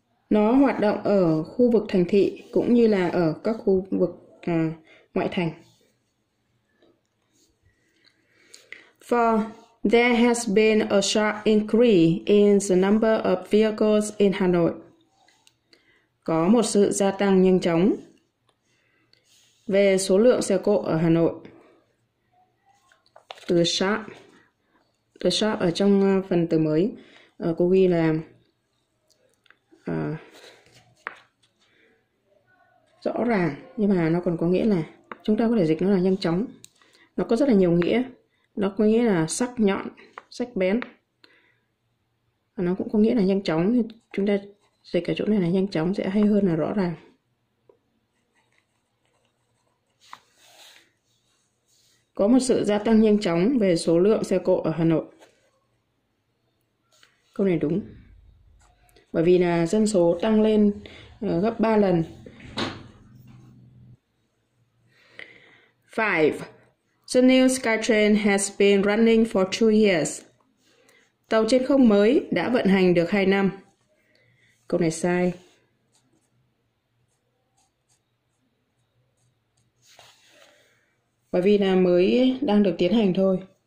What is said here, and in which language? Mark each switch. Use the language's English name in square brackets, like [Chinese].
[Vietnamese] Nó hoạt động ở khu vực thành thị cũng như là ở các khu vực ngoại thành. [English] For there has been a sharp increase in the number of vehicles in Hanoi. [Vietnamese] Có một sự gia tăng nhanh chóng về số lượng xe cộ ở Hà Nội. The sharp ở trong phần từ mới cô ghi là rõ ràng, nhưng mà nó còn có nghĩa là chúng ta có thể dịch nó là nhanh chóng. Nó có rất là nhiều nghĩa. Nó có nghĩa là sắc nhọn, sắc bén. Và nó cũng có nghĩa là nhanh chóng. Chúng ta dịch ở chỗ này là nhanh chóng sẽ hay hơn là rõ ràng. Có một sự gia tăng nhanh chóng về số lượng xe cộ ở Hà Nội. Câu này đúng. Bởi vì là dân số tăng lên gấp 3 lần. [English] Five. The new SkyTrain has been running for 2 years. [Vietnamese] Tàu trên không mới đã vận hành được 2 năm. Câu này sai. Bởi vì là mới đang được tiến hành thôi.